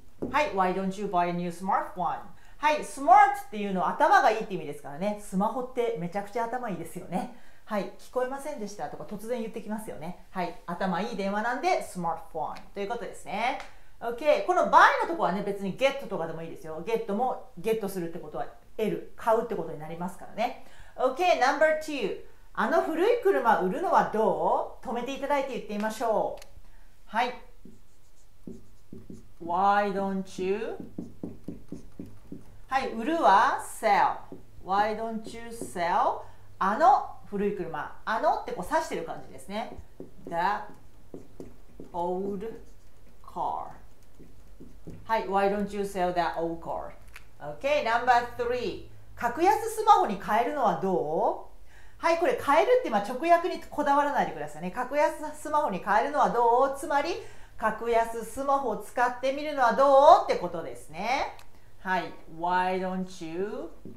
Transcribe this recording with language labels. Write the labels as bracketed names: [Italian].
[English] はい、Why don't you buy a new smartphone? [Japanese] はい、スマートっていうのは頭がいいって意味ですからね。スマホってめちゃくちゃ頭いいですよね。はい、聞こえませんでしたとか突然言ってきますよね。はい、頭いい電話なんでスマートフォンということですね。 OK、この buy のとこはね、別に get とかでもいいですよ。get も get するってことは得る、買うってことになりますからね。 [English] OK、number two。 [Japanese] あの古い車売るのはどう?止めていただいて言ってみましょう。はい。 [English] Why don't you? [Japanese] はい、売るは sell。 [English] Why don't you sell? [Japanese] あの古い車。あのってこう指してる感じですね。 [English] That old car。はい、Why don't you sell that old car? Okay, number three。 [Japanese] 格安スマホに変えるのはどう?はい、これ買えるって今直訳にこだわらないでくださいね。格安スマホに変えるのはどう?つまり格安スマホを使ってみるのはどう? ってことですね。はい、 [English] Why don't you?